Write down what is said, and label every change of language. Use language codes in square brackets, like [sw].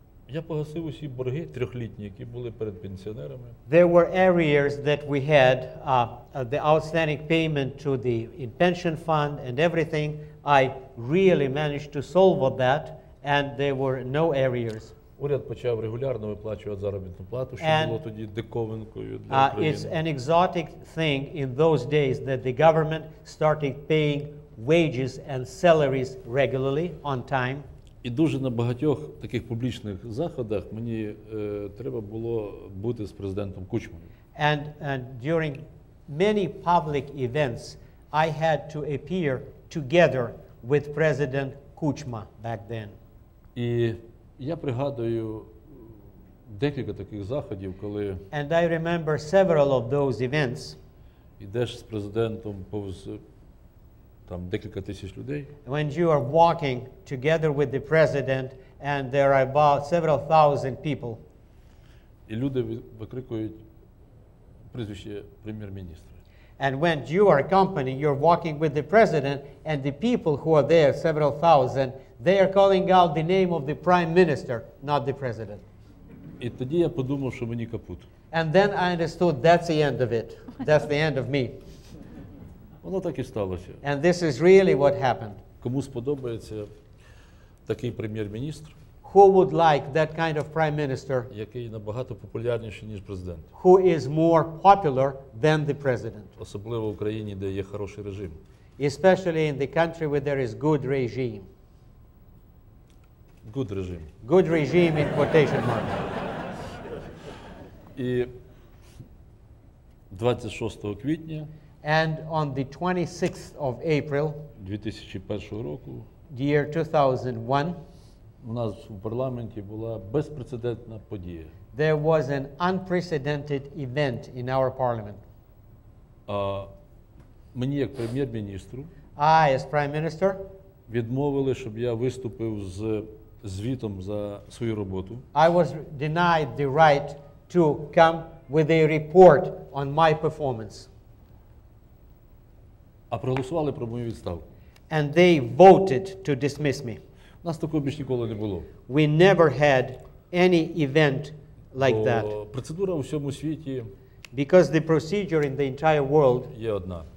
[uk] я погасив усі борги трьохлітні, які були перед пенсіонерами. [en] There were arrears that we had, the outstanding payment to the pension fund and everything. I really managed to solve all that, and there were no arrears. [uk] Уряд почав регулярно виплачувати заробітну плату, що було тоді диковинкою для України. [en] It's an exotic thing in those days that the government started paying wages and salaries regularly on time. [uk] І дуже на багатьох таких публічних заходах мені треба було бути з президентом Кучмою. [en] And during many public events I had to appear together with President Kuchma back then. [uk] І я пригадую декілька таких заходів, коли [en] And I remember several of those events. [uk] Ідеш з президентом повз там декілька тисяч людей. [en] When you are walking together with the president and there are about several thousand people. [uk] І люди викрикують прізвище прем'єр-міністра. [en] And when you are a company, you're walking with the president, and the people who are there, several thousand, they are calling out the name of the prime minister, not the president. [uk] І тоді я подумав, що мені капут. [en] And then I understood that's the end of it. That's the end of me. [uk] Воно так і сталося. [en] And this is really what happened. [uk] Кому сподобається такий прем'єр-міністр? [en] Who would like that kind of prime minister? [uk] Який набагато популярніший, ніж президент. [en] Who is more popular than the president? [uk] Особливо в Україні, де є хороший режим. [en] Especially in the country where there is good regime. Good regime. Good regime in quotation marks. [uk] І 26 квітня. [en] And on the 26th of April. [uk] 2001 року. [en] Year 2001. [uk] У нас в парламенті була безпрецедентна подія. [en] There was an unprecedented event in our parliament. [uk] Мені як прем'єр-міністру. [en] I, as prime minister. [uk] Відмовили, щоб я виступив з звітом за свою роботу. [en] I was denied the right to come with a report on my performance. [uk] А проголосували про мою відставку. [en] And they voted to dismiss me. [uk] У нас такого більш ніколи не було. [en] We never had any event like that. [uk] Процедура у всьому світі. [en] Because the procedure in the entire world [uk] є одна.